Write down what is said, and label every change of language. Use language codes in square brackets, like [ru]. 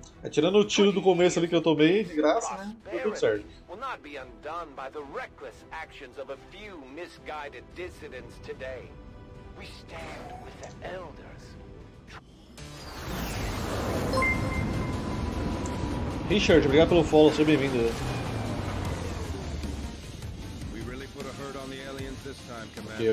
[pt] Tirando o tiro do começo ali que eu tomei, de graça, né? Tudo certo. [en] Will not be undone by the reckless actions of a few misguided dissidents today. We stand with the elders. [pt] Richard, obrigado pelo follow, seja bem-vindo. [en] We really put a hurt on the aliens this time, Commander.